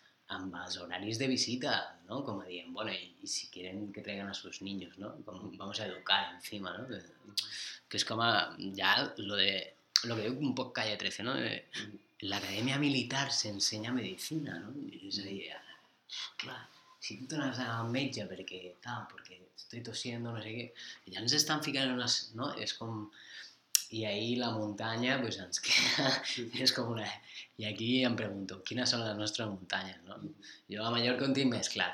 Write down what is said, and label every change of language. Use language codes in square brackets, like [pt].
[ca] Amb els horaris de visita, ¿no? Com a dient, [es] bueno, y si quieren que traigan a sus niños, ¿no? Como vamos a educar encima, ¿no? Que es como ya lo que digo un poco Calle 13, ¿no? En la Academia Militar se enseña medicina, ¿no? Y es ahí, claro, si tú te vas a metge porque tal, porque estoy tosiendo, no sé qué, ya nos están ficando unas, ¿no? Es como... [ca] I ahir la muntanya, pues, ens queda, és com una... I aquí em pregunto, quines són les nostres muntanyes, no? Jo a Mallorca en tinc més clar.